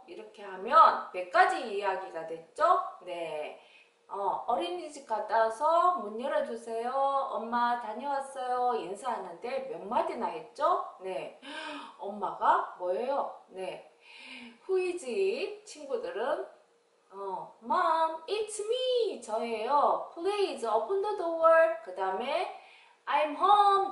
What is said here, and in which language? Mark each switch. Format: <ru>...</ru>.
<ko>이렇게 하면 몇 가지 이야기가 됐죠? 네. 어린이집 갔다 와서 문 열어주세요. 엄마 다녀왔어요. 인사하는데 몇 마디나 했죠? 네. 엄마가 뭐예요? 네.</ko> <en>Who is it?</en> <ko>친구들은</ko> <en>Mom, it's me.</en> <ko>저예요.</ko> <en>Please open the door.</en> <ko>그 다음에</ko> <en>I'm home.</en>